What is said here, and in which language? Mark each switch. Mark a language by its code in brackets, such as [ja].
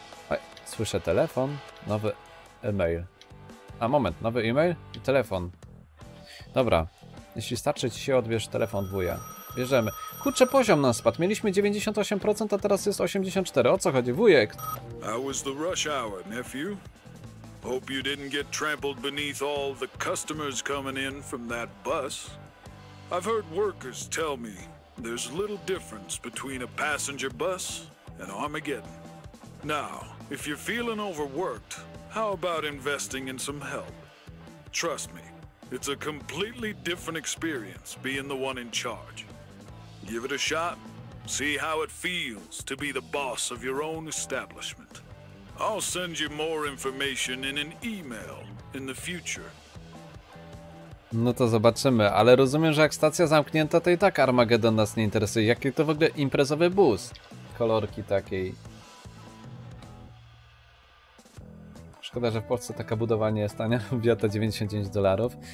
[pl] Oj, słyszę telefon. Nowy e-mail. A, moment. Nowy e-mail i telefon. Dobra. Jeśli starczy ci się, odbierz telefon wuja. Bierzemy. Kurczę, poziom nam spadł. Mieliśmy 98%, a teraz jest 84%. O co chodzi? Wujek! [en] How was the rush hour, nephew? Hope you didn't get trampled beneath all the customers coming in from that bus. I've heard workers tell me there's little difference between a passenger bus and Armageddon. Now, if you're feeling overworked, how about investing in some help? Trust me, it's a completely different experience being the one in charge. Give it a shot. See how it feels to be the boss of your own establishment. I'll send you more information in an email in the future. [pl] No to zobaczymy, ale rozumiem, że jak stacja zamknięta, to i tak Armageddon nas nie interesuje. Jaki to w ogóle imprezowy bus? Kolorki takiej. Szkoda, że w Polsce taka budowa nie jest tania, bija to $99.